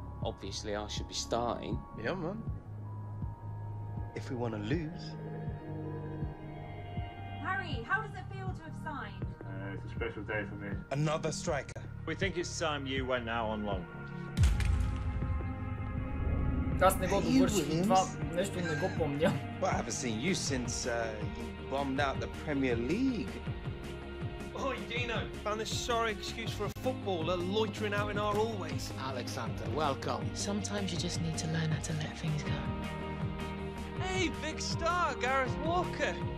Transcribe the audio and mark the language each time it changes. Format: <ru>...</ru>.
<en>Obviously, I should be starting. Yeah, man. If we want to lose... Harry! Harry, how does it feel to have signed? It's a special day for me. Another striker. We think it's time you went now on loan.</en> <bg>Аз не го довърших, това нещо не го помня.</bg> <en>But I haven't seen you since you bombed out the Premier League. Oi, Dino, found this sorry excuse for a footballer loitering out in our hallways. Alexander, welcome. Sometimes you just need to learn how to let things go. Hey, big star, Gareth Walker.</en>